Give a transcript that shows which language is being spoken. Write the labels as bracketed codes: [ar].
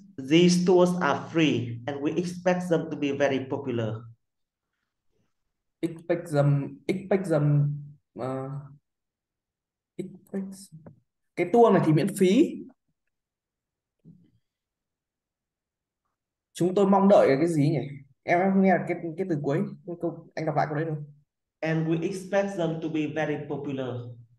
[en] These tours are free and we expect them to be very popular. [vi] Expect cái tour này thì miễn phí. Chúng tôi mong đợi cái gì nhỉ? Em nghe cái từ cuối, anh đọc lại câu đấy được. [en] And we expect them to be very popular.